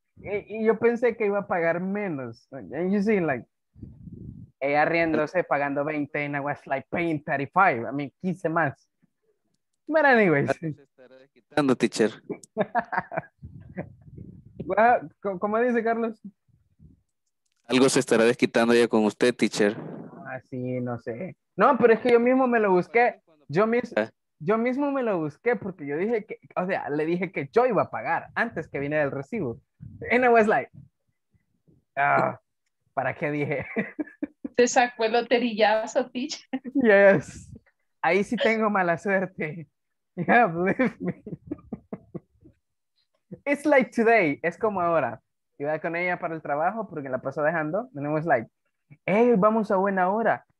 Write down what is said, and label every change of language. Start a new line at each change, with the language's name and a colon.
Spanish: Y yo pensé que iba a pagar menos.
English: And you see, like,
Spanish: ella riéndose pagando 20,
English: and I was like paying 35. I mean, 15 más. But anyways.
Spanish: Quitando, teacher. ¿Cómo dice Carlos? Algo se estará desquitando ya con usted, teacher. Ah, sí, no sé. No, pero es que yo mismo me lo busqué. Yo mismo me lo busqué porque yo dije que, o sea, le dije que yo iba a pagar antes que viniera el recibo.
English: And I was like,
Spanish: ¿para qué dije? Te sacó el loterillazo, teacher. Yes. Ahí sí tengo mala suerte.
English: Yeah, believe me. It's like today.
Spanish: Es como ahora. Iba con ella para el trabajo porque la pasó dejando.
English: And I was like, hey,
Spanish: vamos a buena hora.